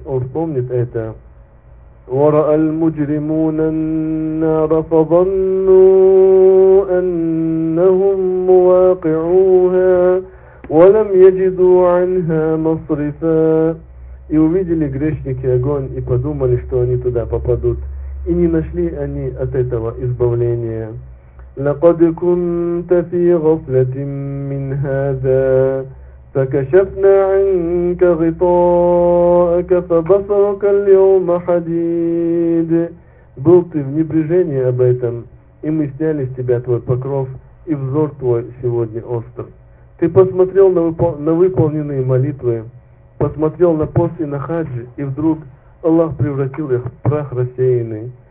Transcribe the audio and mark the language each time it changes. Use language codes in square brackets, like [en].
[ru] Он вспомнит это. [ar] وَرَأَ الْمُجْرِمُونَ النَّارَ فَظَنُّوا أَنَّهُمْ مُوَاقِعُوهَا وَلَمْ يَجِدُوا عَنْهَا مَصْرِفًا. [ru] И увидели грешники огонь и подумали, что они туда попадут. И не нашли они от этого избавления. [ar] لقد كنت في غفلة من هذا فكشفنا عنك غطاءك فبصرك اليوم حديد. [ru] Был ты в небрежении об этом, и мы сняли с тебя твой покров, и взор твой сегодня остр. Ты посмотрел на выполненные молитвы, посмотрел на пост и на хадж, и вдруг Аллах превратил их в прах рассеянный.